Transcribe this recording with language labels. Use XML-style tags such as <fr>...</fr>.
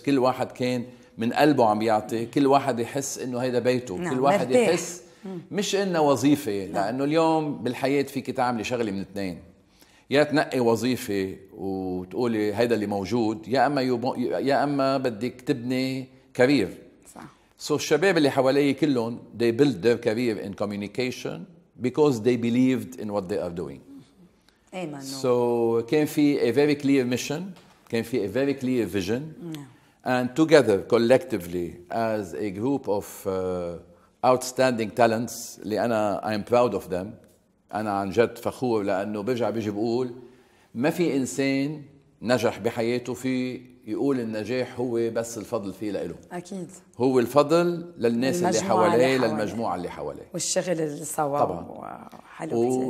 <ar>كل واحد كان من قلبه عم يعطي، كل واحد يحس انه هيدا بيته. كل واحد يحس مش انه وظيفة. لانه اليوم بالحياة فيك تعملي شغلة من اثنين، يا تنقي وظيفة وتقولي هيدا اللي موجود، يا اما بدك تبني كارير.</ar> <en>So</en> <ar>الشباب اللي حواليه كلهم</ar> <en>they build their career in communication because they believed in what they are doing. Amen. So</en> <ar>كان في</ar> <en>a very clear mission، كان في a very clear vision. And together collectively as a group of outstanding talents</en> <ar>اللي أنا</ar> <en>I'm proud of them.</en> <ar>أنا عن جد فخور، لأنه بيجي بقول ما في إنسان نجح بحياته في يقول النجاح هو بس الفضل فيه لإله. أكيد هو الفضل للناس اللي حواليه، للمجموعة اللي حواليه والشغل اللي سواه. طبعا حلو.</ar>